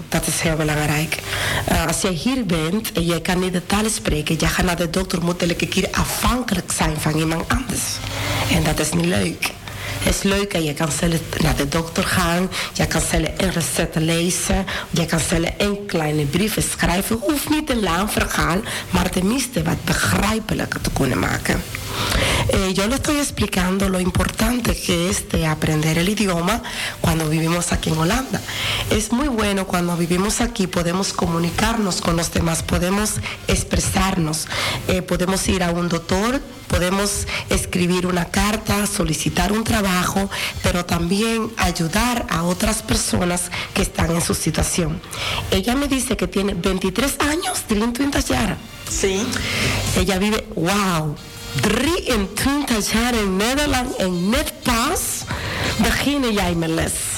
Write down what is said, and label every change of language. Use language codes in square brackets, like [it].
[nl] Dat is heel belangrijk. Als jij hier bent en jij kan niet de taal spreken, jij gaat naar de dokter, moet elke keer afhankelijk zijn van iemand anders. En dat is niet leuk. Het is leuk en je kan zelf naar de dokter gaan, je kan zelf een recept lezen, je kan zelf een kleine brief schrijven. Hoeft niet een lang verhaal, maar tenminste wat begrijpelijker te kunnen maken. [es] Yo le estoy explicando lo importante que es de aprender el idioma cuando vivimos aquí en Holanda. Es muy bueno cuando vivimos aquí, podemos comunicarnos con los demás, podemos expresarnos, podemos ir a un doctor, podemos escribir una carta, solicitar un trabajo, pero también ayudar a otras personas que están en su situación. Ella me dice que tiene 23 años, 23 años. Sí. Ella vive, wow. [nl] 23 jaar in Nederland en net pas begin jij mijn les.